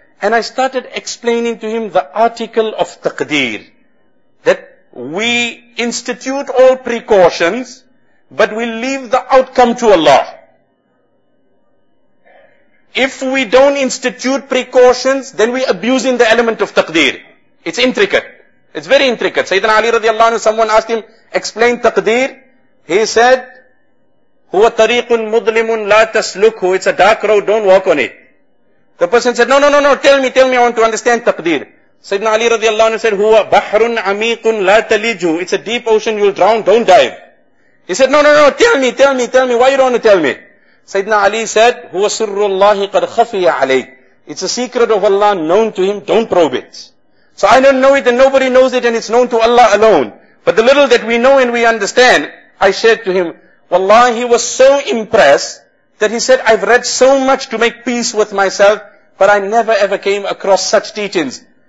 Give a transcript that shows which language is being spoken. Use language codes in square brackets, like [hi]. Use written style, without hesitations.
[en] And I started explaining to him the article of taqdeer. That we institute all precautions, But we leave the outcome to Allah. If we don't institute precautions, then we're abusing the element of taqdeer. It's intricate. It's very intricate. Sayyidina Ali radiallahu anhu, someone asked him, explain taqdeer. He said, [ar] هُوَ طَرِيقٌ مُظْلِمٌ لَا تَسْلُكُهُ. [en] It's a dark road, don't walk on it. The person said, no, tell me, I want to understand taqdeer. Sayyidina Ali radiallahu anhu said, [ar] هُوَ بَحْرٌ عَمِيقٌ لَا تَلِجُهُ. [en] It's a deep ocean, you'll drown, don't dive. He said, no, tell me, why you don't want to tell me? Sayyidina Ali said, [ar] هُوَ سِرُّ اللَّهِ قَدْ خَفِيَ عَلَيْكُ. [en] It's a secret of Allah known to him, don't probe it. So I don't know it and nobody knows it and it's known to Allah alone. But the little that we know and we understand, I shared to him, wallahi, he was so impressed that he said, I've read so much to make peace with myself, but I never ever came across such teachings.